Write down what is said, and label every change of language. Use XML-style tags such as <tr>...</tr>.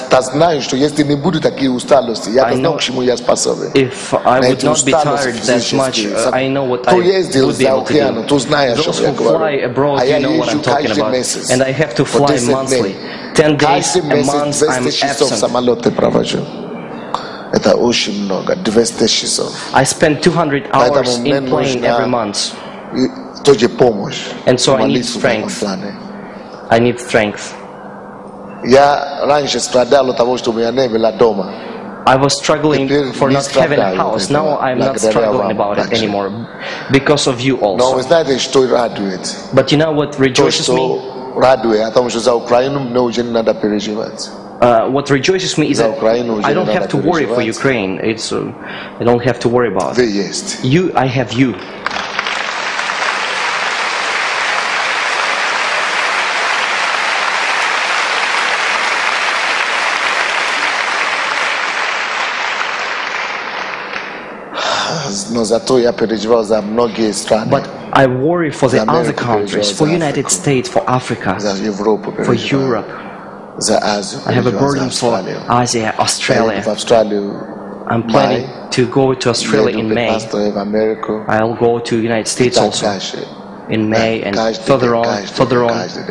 <ru>Я знаю, что если не буду такие усталости, я знаю, к чему я способен.</ru> <en>If I would not be tired that much, I know what I would be able to do. Those who fly abroad, you know what I'm talking about. And I have to fly monthly. 10 days a month, I'm absent.</en> <ru>Это очень много. 200 часов.</ru> <en>I spend 200 hours in plane every month. And so I need strength. I need strength.</en> <ru>Я раньше страдал от того, что у меня не было дома.</ru> <en>I was struggling for not having a house. Now I'm not struggling about it anymore because of you also.</en> <ru>Но вы знаете, что радует?</ru> <en>But you know what rejoices me?</en> <ru>Радует о том, что за Украину мне уже не надо переживать.</ru> <en>What rejoices me is that I don't have to worry for Ukraine. It's I don't have to worry about.</en> <ru>Вы есть.</ru> <en>You, I have you.</en> <ru>Но зато я переживал за многие страны.</ru> <en>But I worry for the other countries, for United States, for Africa, for Europe.</en> <ru>За Азию.</ru> <en>I have a burden for Asia, Australia. I'm planning to go to Australia in May. I'll go to United States also in May and further on.</en>